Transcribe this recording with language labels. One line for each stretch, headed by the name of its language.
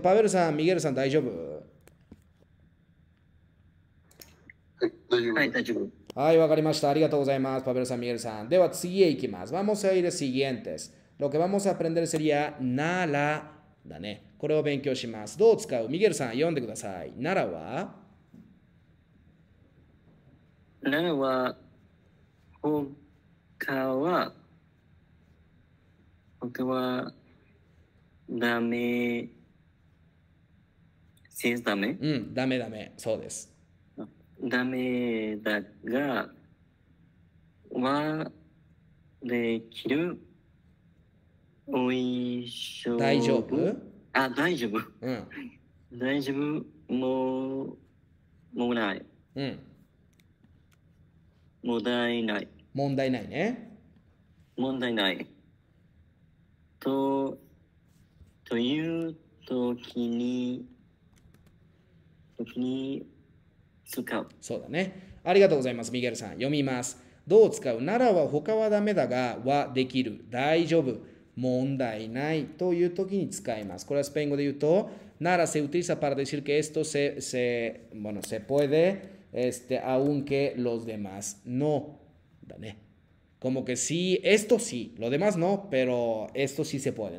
Japanese: パベルさん、ミゲルさん、大丈夫？はい、大丈夫。はい、わかりました。ありがとうございます。パベルさん、ミゲルさん。では、次へ行きます。
Spanish: Vamos a ir siguientes. Lo que vamos a aprender sería
Japanese: ならだね。これを勉強します。どう使う？ミゲルさん、読んでください。ならは？ならは、他は、他は、ダメ、センスダメ？うん、ダメダメ、そうです。ダメだが、はできる、おいしょ。大丈夫？あ、大丈夫。うん。大丈夫、もうない。うん。問題ない。問題ないね。問題ない。というときに、ときに、使う。そうだね。ありがとうございます、ミゲルさん。読みます。どう使う？ならは他はダメだが、はできる。大丈夫。問題ない。という時に使います。
Spanish: これはスペイン語で言うと、ならせ utiliza para decir que esto se bueno, se puede, aunque los demás no. だね。Como que sí, esto sí. Lo demás no, pero esto sí se puede.